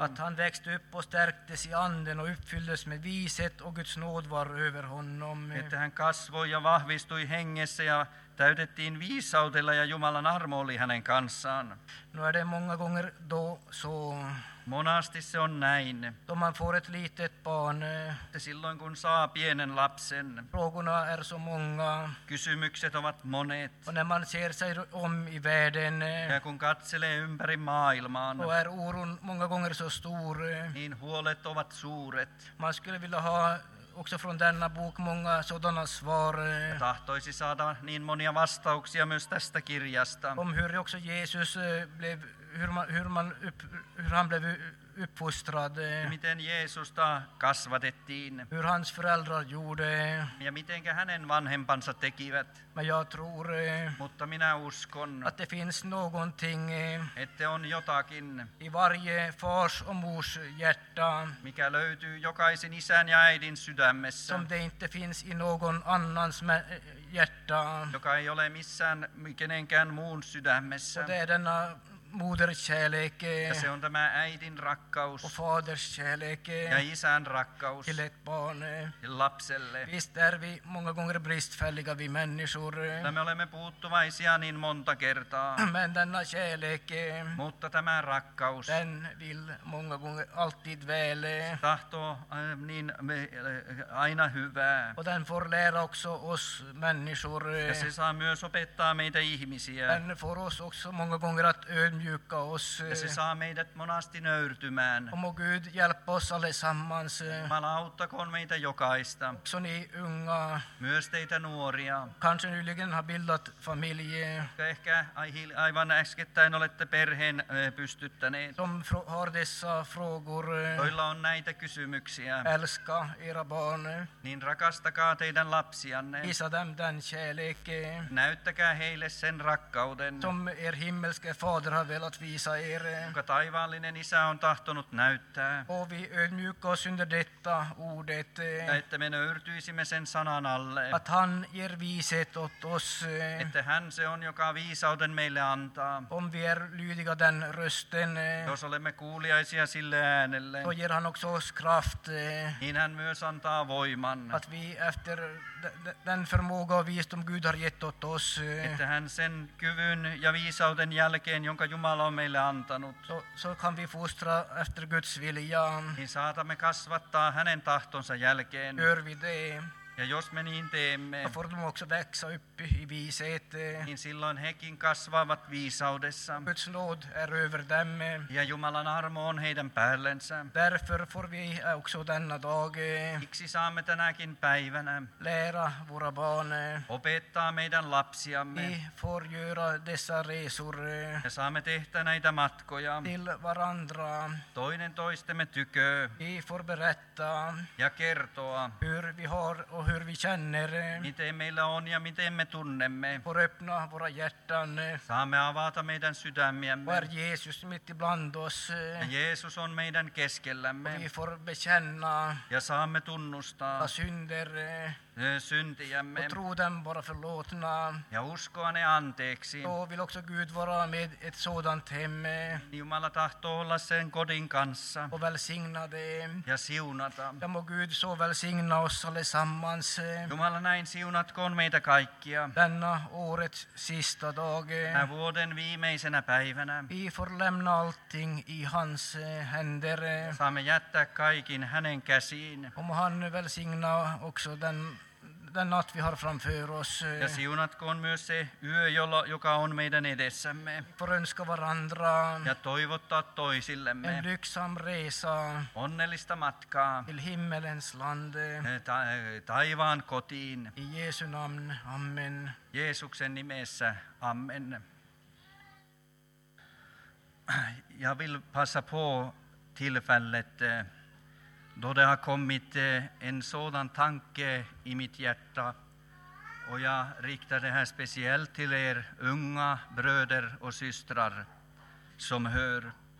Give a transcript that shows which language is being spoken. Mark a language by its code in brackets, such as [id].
[sv] Att han växte upp och stärktes i anden och uppfylldes med viset och Guds nåd var över honom. [fi] Että hän kasvoi ja vahvistui hengessä ja täytettiin viisaudella ja Jumalan armo oli hänen kanssaan. [sv] No är det många gånger då så. [fi] Monasti se on näin. [sv] Då man får ett litet barn. [fi] Silloin kun saa pienen lapsen. [sv] Frågorna är så många. [fi] Kysymykset ovat monet. [sv] Och när man ser sig om i världen. [fi] Ja kun katselee ympäri maailmaan. [sv] Då är oron många gånger så stor. [fi] Niin huolet ovat suuret. [sv] Man skulle vilja ha också från denna bok många sådana svar. [fi] Tahtoisi saada niin monia vastauksia myös tästä kirjasta. [sv] Om hur också Jesus blev, hur han blev uppfostrad. [fi] Miten Jeesusta kasvatettiin. [sv] Hur hans föräldrar gjorde. [fi] Ja mitenkä hänen vanhempansa tekivät. [sv] Men jag tror. [fi] Mutta minä uskon. [sv] Att det finns någonting. [fi] Että on jotakin. [sv] I varje fars och mors hjärta. [fi] Mikä löytyy jokaisen isän ja äidin sydämessä. [sv] Som det inte finns i någon annans hjärta. [fi] Joka ei ole missään kenenkään muun sydämessä. [sv] Och det är denna moderskärleken. [fi] Ja se on tämä äidin rakkaus. [sv] Och faderskärleken. [fi] Ja isän rakkaus. [sv] Till ett barn. [fi] Till lapselle. [sv] Visst är vi många gånger bristfälliga vi människor. [fi] Ja me olemme puuttuvaisia niin monta kertaa. [sv] Men denna kärleken. [fi] Mutta tämä rakkaus. [sv] Den vill många gånger alltid väl. [fi] Tahtoo niin aina hyvää. [sv] Och den får lära också oss människor. [fi] Ja se saa myös opettaa meitä ihmisiä. [sv] Den får oss också många gånger att ödmjuka oss. [fi] Ja se saa meidät monasti nöyrtymään. [sv] Och må Gud hjälpa oss allesammans. [fi] Jumala auttakoon meitä jokaista. [sv] Också ni unga. [fi] Myös teitä nuoria. [sv] Kanske nyligen har bildat familje. [fi] Ehkä aivan äskettäin olette perheen pystyttäneet. [sv] Som har dessa frågor. [fi] Joilla on näitä kysymyksiä. [sv] Älska era barn. [fi] Niin rakastakaa teidän lapsianne. [sv] Visa dem den kärleken. [fi] Näyttäkää heille sen rakkauden. [sv] Som er himmelske fader har velat visa er. [fi] Jonka taivaallinen isä on tahtonut näyttää. [sv] Och vi ödmjuka oss under detta ordet. [fi] Ja että me nöyrtyisimme sen sanan alle. [sv] Att han ger viset åt oss. [fi] Että hän se on, joka viisauden meille antaa. [sv] Om vi är lydiga den rösten. [fi] Jos olemme kuuliaisia sille äänelle. [sv] Och ger han också oss kraft. [fi] Niin hän myös antaa voiman. [sv] Att vi efter den förmåga och visdom Gud har gett åt oss. [fi] Että hän sen kyvyn ja viisauden jälkeen, jonka Jumala on meille antanut. [sv] Så kan vi fostra efter Guds vilja. [fi] Niin saatamme kasvattaa hänen tahtonsa jälkeen. [sv] Gör vi det. [fi] Ja jos me niin teemme. [sv] Då får de också växa upp i viset. [fi] Niin silloin hekin kasvavat viisaudessa. [sv] Guds nåd är över dem. [fi] Ja Jumalan armo on heidän päällensä. [sv] Därför får vi också denna dag. [fi] Miksi saamme tänäkin päivänä. [sv] Lära våra barn. [fi] Opettaa meidän lapsiamme. [sv] Vi får göra dessa resor. [fi] Ja saamme tehdä näitä matkoja. [sv] Till varandra. [fi] Toinen toistemme tykö. [sv] Vi får berätta. [fi] Ja kertoa. [sv] Hur vi har och hur vi känner. [fi] Miten meillä on ja miten me tunnemme. [sv] Får öppna våra hjärtan. [fi] Saamme avata meidän sydämiämme. [sv] Var Jeesus mitt ibland oss. [fi] Ja Jeesus on meidän keskellämme. [sv] Och vi får bekänna. [fi] Ja saamme tunnustaa. [sv] Våra synder. [fi] Syntiämme. [sv] Och tro dem vara förlåtna. [fi] Ja uskoa ne anteeksi. [sv] Och vill också Gud vara med ett sådant hemme. [fi] Jumala tahtoo olla sen kodin kanssa. [sv] Och välsigna dem. [fi] Ja siunata. [sv] Ja må Gud så välsigna oss allesammans. [fi] Jumala näin siunatkoon meitä kaikkia. [sv] Denna årets sista dag. [fi] Tänä vuoden viimeisenä päivänä. [sv] Vi får lämna allting i hans händer. [fi] Ja saamme jättää kaikin hänen käsiin. [sv] Och må han välsigna också den. Den natt vi har framför oss. [fi] Ja siunatkoon myös se yö, joka on meidän edessämme. [sv] Får önska varandra. [fi] Ja toivottaa toisillemme. [sv] En lyksam resa. [fi] Onnellista matkaa. [sv] Till himmelens land. [fi] Taivaan kotiin. [sv] I Jeesu namn, amen. [fi] Jeesuksen nimessä, amen. [sv] Jag vill passa på tillfället. Då det har kommit en sådan tanke i mitt hjärta och jag riktar det här speciellt till er unga bröder och systrar som hör.